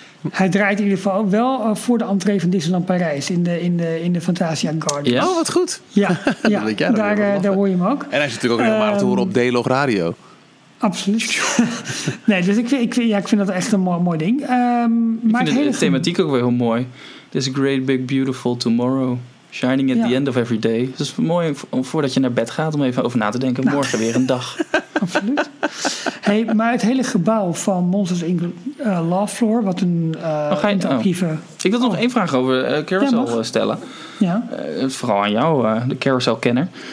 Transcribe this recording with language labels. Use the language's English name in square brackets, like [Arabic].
[Dutch] Hij draait in ieder geval wel voor de entree van Disneyland Parijs in de Fantasia Gardens. Yes. Oh, wat goed. Ja, ja. daar hoor je hem ook. En hij is natuurlijk ook helemaal te horen op D-Log Radio. Absoluut. Nee, dus ik vind dat echt een mooi ding. Maar ik vind de thematiek ook weer heel mooi. [English] This great big beautiful tomorrow, shining at the end of every day. [Dutch] Dat is mooi voordat je naar bed gaat om even over na te denken. Nou. Morgen weer een dag. Absoluut. Hey, maar het hele gebouw van Monsters Inc. Love Floor, wat een interactieve... Ik wil nog één vraag over Carousel stellen. Ja. Vooral aan jou, de Carousel-kenner.